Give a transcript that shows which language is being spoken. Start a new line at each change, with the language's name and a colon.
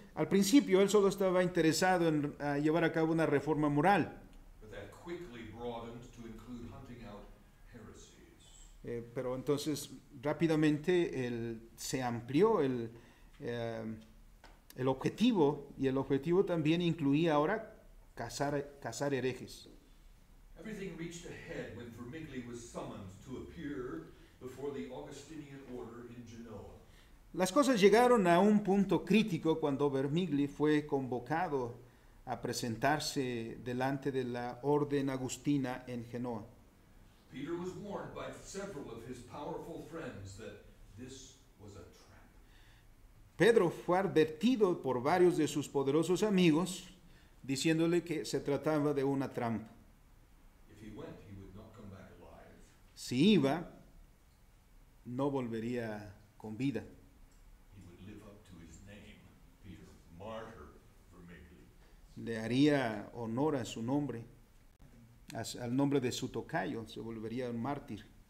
Spanish: Al principio, él solo estaba interesado en llevar a cabo una reforma moral.
English: But that quickly broadened to include hunting out heresies.
Spanish: Pero entonces, rápidamente, él se amplió el el objetivo, y el objetivo también incluía ahora cazar herejes.
English: Everything reached a head when Vermigli was summoned to appear before the Augustinian order in Genoa.
Spanish: Las cosas llegaron a un punto crítico cuando Vermigli fue convocado a presentarse delante de la orden agustina en Genoa.
English: Peter was warned by several of his powerful friends that this was a trap.
Spanish: Pedro fue advertido por varios de sus poderosos amigos, diciéndole que se trataba de una trampa.
English: If he went, he would not come back alive.
Spanish: Si iba, no volvería con vida.
English: He would live up to his name, Peter, martyr Vermigli.
Spanish: Le haría honor a su nombre, al nombre de su tocayo, se volvería un mártir.